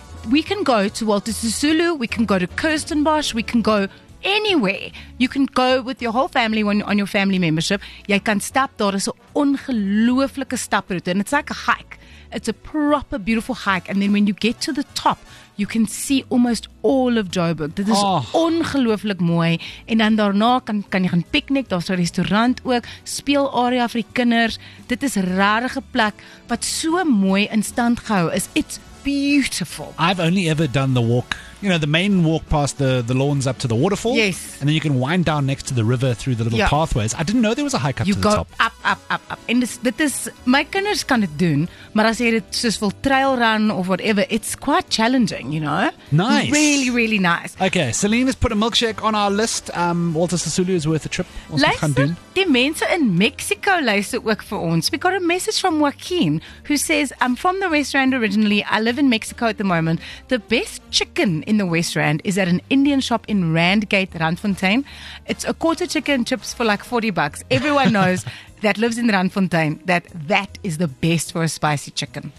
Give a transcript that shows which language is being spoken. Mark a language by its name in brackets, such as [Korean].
[English] We can go to Walter Sisulu, we can go to Kirstenbosch, we can go anywhere. You can go with your whole family when on your family membership. [Afrikaans] Jy kan stap, daar is 'n ongelooflike staproete [English] and it's like a hike. It's a proper beautiful hike and then when you get to the top, you can see almost all of Joburg. [Afrikaans] Dit is ongelooflik mooi en dan daarna kan jy gaan piknik, daar's 'n restaurant ook, speelarea vir die kinders. Dit is regtig 'n plek wat so mooi in stand gehou is. [English] It's beautiful. I've only ever done the walk, you know, the main walk past the lawns up to the waterfall. Yes. And then you can wind down next to the river through the little pathways. I didn't know there was a hike up you to the top. You go up. And [Afrikaans] dit is, my kinders kan dit doen, maar as jy dit soos wil [English] trail run or whatever, it's quite challenging, you know? Nice. Really, really nice. Okay, Celine has put a milkshake on our list. Walter Sisulu is worth a trip. [Afrikaans] Die mense in Mexico luister ook vir ons. [English] We got a message from Joaquin who says, I'm from the West Rand originally. I live in Mexico at the moment. The best chicken in the West Rand is at an Indian shop in Randgate, Randfontein. It's a quarter chicken chips for like $40. Everyone knows that lives in Randfontein that is the best for a spicy chicken.